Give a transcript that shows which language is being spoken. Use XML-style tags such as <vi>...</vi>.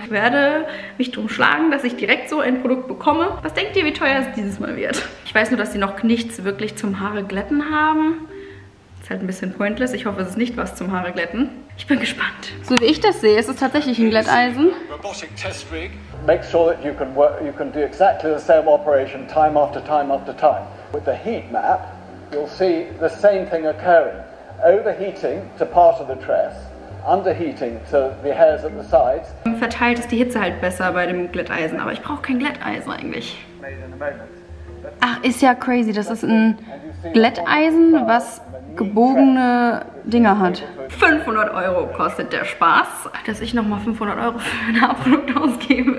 <de>Ich werde mich drum schlagen, dass ich direkt so ein Produkt bekomme. Was denkt ihr, wie teuer es dieses Mal wird? Ich weiß nur, dass sie noch nichts wirklich zum Haare glätten haben. Ist halt ein bisschen pointless. Ich hoffe, es ist nicht was zum Haare glätten. Ich bin gespannt. So wie ich das sehe, ist es tatsächlich ein Glätteisen.</de> <en>Make sure that you can do exactly the same operation time after time after time. With the heat map, you'll see the same thing occurring. Overheating to part of the tress, underheating to the hairs at the sides.</en> <de>Verteilt ist die Hitze halt besser bei dem Glätteisen, aber ich brauche kein Glätteisen eigentlich. Ach, ist ja crazy, das ist ein Glätteisen, was gebogene Dinger hat. 500 € kostet der Spaß, dass ich nochmal 500 € für ein Haarprodukt ausgebe.</de>